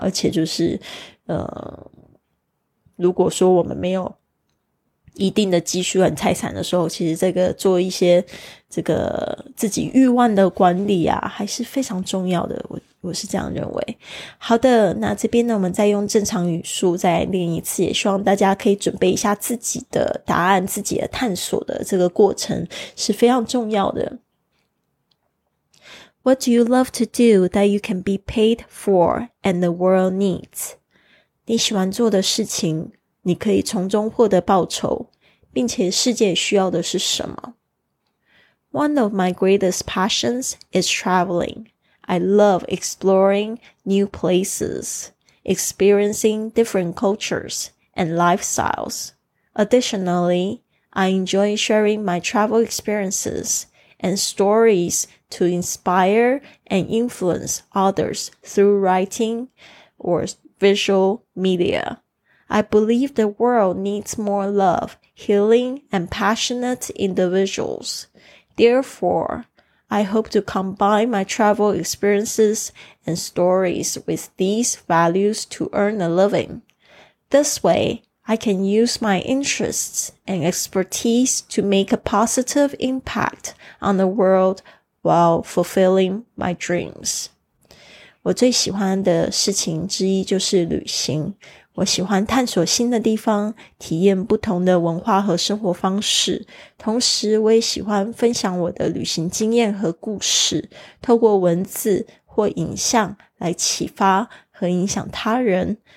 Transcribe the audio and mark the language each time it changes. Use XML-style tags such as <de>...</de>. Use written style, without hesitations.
<zh>而且就是如果说我们没有一定的积蓄和财产的时候，其实这个做一些这个自己欲望的管理啊还是非常重要的，我是这样认为。好的，那这边呢我们再用正常语速再练一次，也希望大家可以准备一下自己的答案，自己的探索的这个过程是非常重要的。</zh> <en>What do you love to do that you can be paid for and the world needs?</en> <zh>你喜欢做的事情你可以从中获得报酬，并且世界需要的是什么？</zh> <en>One of my greatest passions is traveling. I love exploring new places, experiencing different cultures and lifestyles. Additionally, I enjoy sharing my travel experiences and stories to inspire and influence others through writing or visual media.I believe the world needs more love, healing, and passionate individuals. Therefore, I hope to combine my travel experiences and stories with these values to earn a living. This way, I can use my interests and expertise to make a positive impact on the world while fulfilling my dreams.</en> <zh>我最喜欢的事情之一就是旅行。我喜欢探索新的地方，体验不同的文化和生活方式。同时，我也喜欢分享我的旅行经验和故事，透过文字或影像来启发和影响他人。</zh>